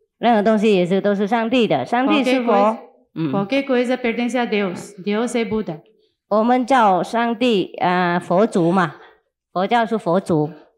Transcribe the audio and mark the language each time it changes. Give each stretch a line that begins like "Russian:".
Chinese: 任何东西也是都是上帝的 上帝是佛
Portuguese: Qualquer coisa pertence a Deus Deus é Buddha
Chinese: 我们叫上帝 佛祖嘛 佛教是佛祖